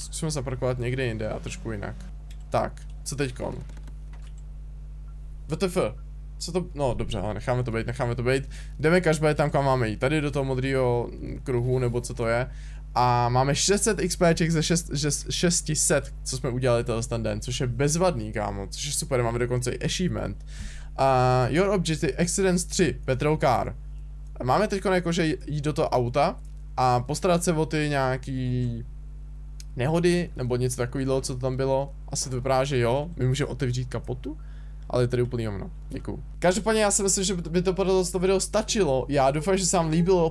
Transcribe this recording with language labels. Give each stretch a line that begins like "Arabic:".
Czech: Zkusíme zaparkovat někde jinde a trošku jinak. Tak, co teďkon? WTF? Co to, no dobře, ale necháme to být, necháme to být. Jdeme každopádně tam, kam máme jít. Tady do toho modrýho kruhu, nebo co to je. A máme 600 XPček ze 600, co jsme udělali tenhle den, což je bezvadný, kámo, což je super, máme dokonce i achievement.
English: Your objective, Accidents 3, petrol car.
Czech: Máme teď jakože jít do toho auta a postarat se o ty nějaký nehody, nebo něco takového, co to tam bylo. Asi to vypadá, že jo, my můžeme otevřít kapotu. Ale je tady úplně jomno. Děkuju. Každopádně já si myslím, že by to pro toto video stačilo. Já doufám, že se vám líbilo.